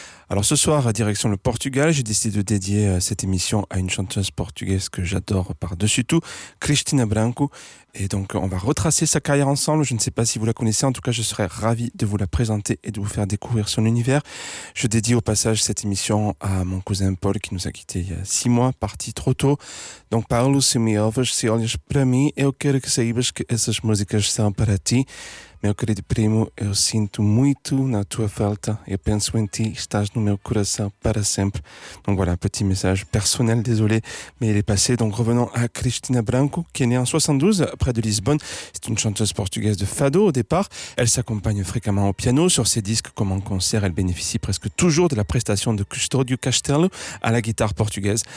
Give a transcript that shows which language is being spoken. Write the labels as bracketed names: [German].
[French] Alors ce soir, direction le Portugal, j'ai décidé de dédier cette émission à une chanteuse portugaise que j'adore par-dessus tout, Cristina Branco. Et donc on va retracer sa carrière ensemble, je ne sais pas si vous la connaissez, en tout cas je serais ravi de vous la présenter et de vous faire découvrir son univers. Je dédie au passage cette émission à mon cousin Paul qui nous a quittés il y a 6 mois, parti trop tôt. [Portuguese] Donc Paulo, se me ouves, se olhas para mim, eu quero que saibas que essas músicas são para ti. Meu querido primo, eu sinto muito na tua falta, eu penso em ti, estás no meu coração para sempre. [French] Donc voilà, un petit message personnel, désolé, mais il est passé. Donc revenons à Cristina Branco, qui est née en 72, près de Lisbonne. C'est une chanteuse portugaise de fado au départ. Elle s'accompagne fréquemment au piano. Sur ses disques comme en concert, elle bénéficie presque toujours de la prestation de Custódio Castelo à la guitare portugaise.